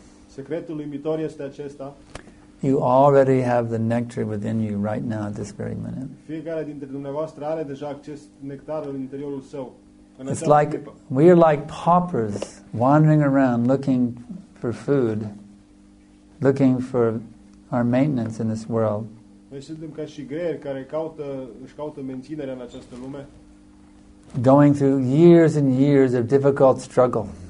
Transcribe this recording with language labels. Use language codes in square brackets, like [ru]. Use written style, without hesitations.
[ro] Secretul uimitor este acesta. [en] You already have the nectar within you right now at this very minute. [ro] Fiecare dintre dumneavoastră are deja acest nectar în interiorul său. [en] It's like we are like paupers wandering around looking for food, looking for our maintenance in this world. [ro] Noi suntem ca și greier care caută, își caută menținerea în această lume. [en] Going through years and years of difficult struggle.